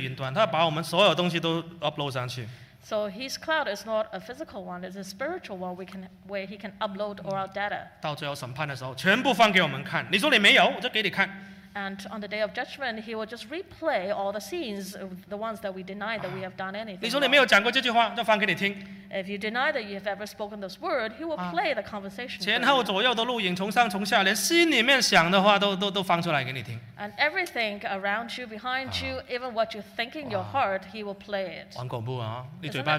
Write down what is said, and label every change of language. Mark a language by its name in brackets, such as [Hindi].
[Chinese] 他的云端不是物质的云端，那是属灵的云端，他把我们所有东西都 upload 上去。 [English] So his cloud is not a physical one, it's a spiritual one where he can upload all our data. [Chinese] 到最后审判的时候，全部放给我们看。你说你没有，我就给你看。 [English] And on the day of judgment, he will just replay all the scenes, the ones that we deny that we have done anything. [Chinese] 你说你没有讲过这句话，就放给你听。 [English] If you deny that you have ever spoken this word, he will play the conversation. [Chinese] 前后左右的录影，从上从下，连心里面想的话都放出来给你听。 [English] And everything around you, behind you, even what you think in your heart, he will play it.